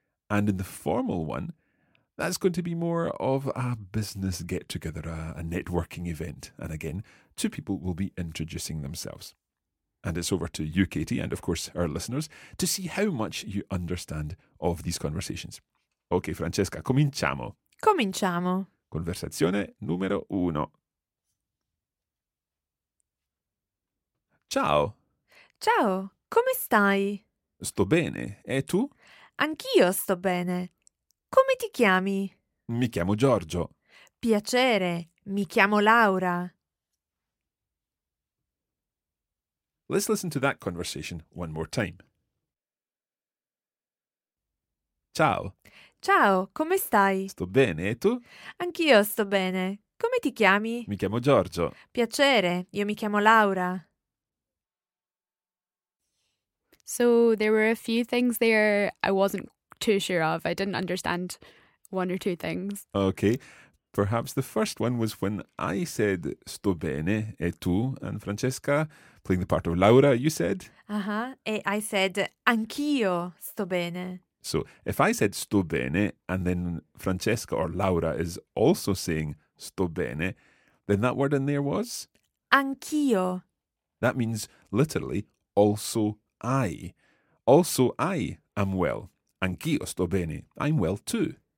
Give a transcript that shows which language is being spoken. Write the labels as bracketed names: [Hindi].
[English] And in the formal one, that's going to be more of a business get-together, a networking event. And again, two people will be introducing themselves. And it's over to you, Katie, and of course our listeners, to see how much you understand of these conversations. [Italian] Okay, Francesca, cominciamo. Cominciamo. Conversazione numero uno. Ciao. Ciao, come stai? Sto bene, e tu? Anch'io sto bene. Come ti chiami? Mi chiamo Giorgio. Piacere, mi chiamo Laura. [English] Let's listen to that conversation one more time. [Italian] Ciao. Ciao, come stai? Sto bene, e tu? Anch'io sto bene. Come ti chiami? Mi chiamo Giorgio. Piacere, io mi chiamo Laura. [English] So there were a few things there I wasn't too sure of. I didn't understand one or two things. Okay, perhaps the first one was when I said [Italian] sto bene e tu [English] and Francesca, playing the part of Laura, you said? [Italian] Uh-huh, e [English] I said [Italian] anch'io sto bene. [English] So if I said [Italian] sto bene [English] and then Francesca or Laura is also saying sto bene, then that word in there was? [Italian] Anch'io. [English] That means literally also I. Also I am well. [Italian] Anch'io sto bene. [English] I'm well too.